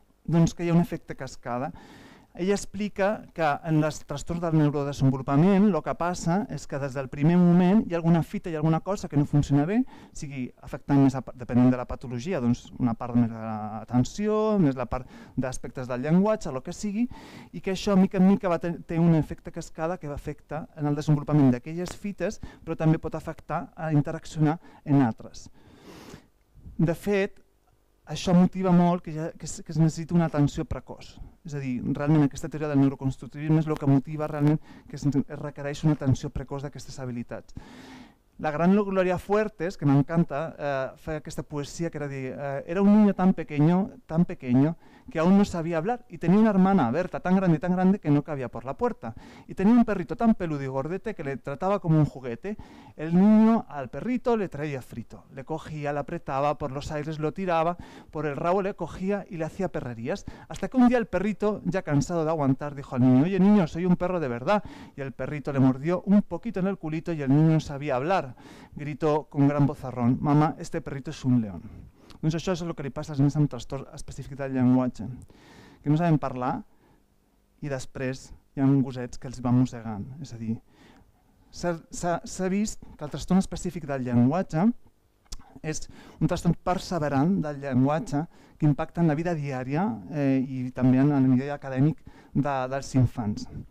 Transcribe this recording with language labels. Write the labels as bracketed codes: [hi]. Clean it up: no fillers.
[ca] Doncs que hi ha un efecte cascada. Ella explica que en els trastorns del neurodesenvolupament el que passa és que des del primer moment hi ha alguna fita, hi ha alguna cosa que no funciona bé, sigui afectant més, depenent de la patologia, doncs una part més de l'atenció, més la part d'aspectes del llenguatge, el que sigui, i que això mica en mica té un efecte cascada que afecta en el desenvolupament d'aquelles fites, però també pot afectar a interaccionar en altres. De fet, això motiva molt que es necessiti una atenció precoç. És a dir, realment aquesta teoria del neuroconstructivisme és el que motiva realment que es requereix una atenció precoç d'aquestes habilitats. La gran Gloria Fuertes, que m'encanta, fa aquesta poesia que era dir [es] era un niño tan pequeño, que aún no sabía hablar, y tenía una hermana, Berta, tan grande que no cabía por la puerta. Y tenía un perrito tan peludo y gordete que le trataba como un juguete. El niño al perrito le traía frito. Le cogía, le apretaba, por los aires lo tiraba, por el rabo le cogía y le hacía perrerías. Hasta que un día el perrito, ya cansado de aguantar, dijo al niño, oye niño, soy un perro de verdad. Y el perrito le mordió un poquito en el culito y el niño no sabía hablar. Gritó con gran vozarrón, mamá, este perrito es un león. [ca] Doncs això és el que li passa als nens amb trastorn específic del llenguatge, que no saben parlar i després hi ha gosets que els van mossegant. És a dir, s'ha vist que el trastorn específic del llenguatge és un trastorn perseverant del llenguatge que impacta en la vida diària i també en el nivell acadèmic dels infants.